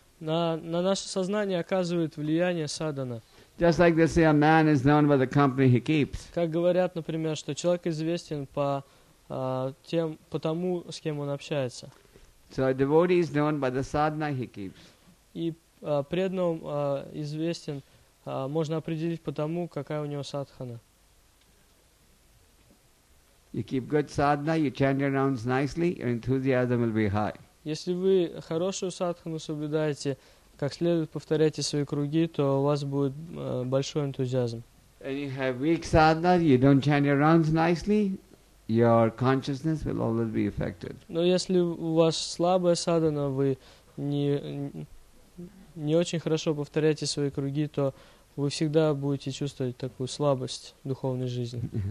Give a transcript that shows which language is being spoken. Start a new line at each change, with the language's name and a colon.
Russian: На наше сознание оказывает влияние садхана.
English: Just like they say, a man is known by the company he keeps.
Russian: Как говорят, например, что человек известен по тем, по тому, с кем он общается.
English: So a devotee is known by the sadhana he keeps.
Russian: И преданному известен можно определить по тому, какая у него садхана.
English: You keep good sadhana, you chant your rounds nicely, your enthusiasm will be high.
Russian: Если вы хорошую садхану соблюдаете, как следует повторяете свои круги, то у вас будет большой энтузиазм.
English: And you have weak sadhana, you don't chant your rounds nicely, your consciousness will always be affected.
Russian: Но если у вас слабая садхана, вы не очень хорошо повторяете свои круги, то вы всегда будете чувствовать такую слабость в духовной жизни.